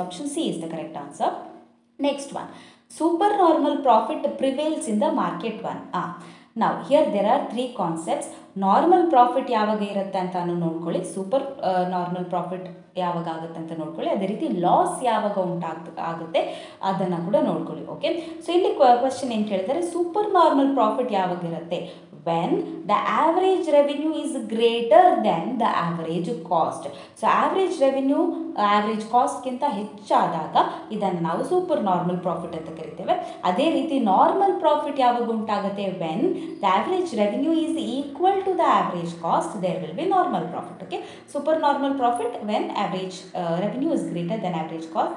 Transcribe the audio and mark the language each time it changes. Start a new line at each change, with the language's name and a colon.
English: Option C is the correct answer. Next one, super normal profit prevails in the market one. ನಾವು here there are 3 concepts.
Kannada: Normal profit ಯಾವಾಗ ಇರುತ್ತೆ ಅಂತ ನೋಡ್ಕೊಳ್ಳಿ, super normal profit ಯಾವಾಗ ಆಗುತ್ತೆ ಅಂತ ನೋಡ್ಕೊಳ್ಳಿ, ಅದೇ ರೀತಿ ಲಾಸ್ ಯಾವಾಗ ಆಗುತ್ತೆ ಅದನ್ನು ಕೂಡ ನೋಡ್ಕೊಳ್ಳಿ. ಓಕೆ, ಸೊ ಇಲ್ಲಿ ಕ್ವೆಶನ್ ಏನು ಕೇಳ್ತಾರೆ, ಸೂಪರ್ ನಾರ್ಮಲ್ ಪ್ರಾಫಿಟ್ ಯಾವಾಗ ಇರುತ್ತೆ?
English: When the average revenue is greater than the average cost. So, average revenue, average cost
Kannada: ಕಿಂತ ಹೆಚ್ಚಾದಾಗ ಇದನ್ನು ನಾವು ಸೂಪರ್ ನಾರ್ಮಲ್ ಪ್ರಾಫಿಟ್ ಅಂತ ಕರಿತೇವೆ. ಅದೇ ರೀತಿ ನಾರ್ಮಲ್ ಪ್ರಾಫಿಟ್ ಯಾವಾಗ ಉಂಟಾಗುತ್ತೆ?
English: When the average revenue is equal to the average cost, there will be normal profit. Okay, super normal profit when average revenue is greater than average cost.